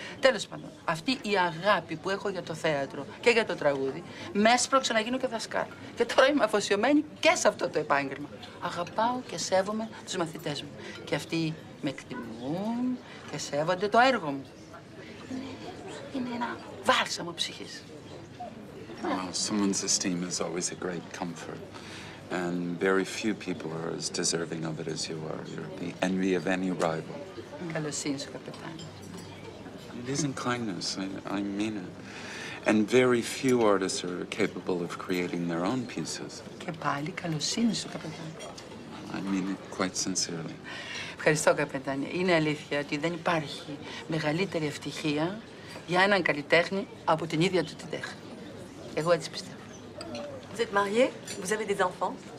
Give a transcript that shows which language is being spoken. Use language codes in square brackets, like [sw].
[el] Τέλος πάντων, αυτή η αγάπη που έχω για το θέατρο και για το τραγούδι με έσπρωξε να γίνω και δασκάλα. Και τώρα είμαι αφοσιωμένη και σε αυτό το επάγγελμα. Αγαπάω και σέβομαι τους μαθητές μου. Και αυτοί με εκτιμούν και σέβονται το έργο μου. Είναι ένα βάλσαμο ψυχής. [en] Someone's esteem is always a great comfort. And very few people are as deserving of it as you are. You're the envy of any rival. [el] Καλωσύνεις, καπετάνη. [en] It isn't kindness. I mean it. And very few artists are capable of creating their own pieces. [el] Και πάλι καλωσύνεις, καπετάνη. [en] I mean it quite sincerely. [el] Ευχαριστώ, καπετάνη. Είναι αλήθεια ότι δεν υπάρχει μεγαλύτερη ευτυχία για έναν καλλιτέχνη από την ίδια του την τέχνη. Εγώ έτσι πιστεύω. [fr] Vous êtes marié? Vous avez des enfants?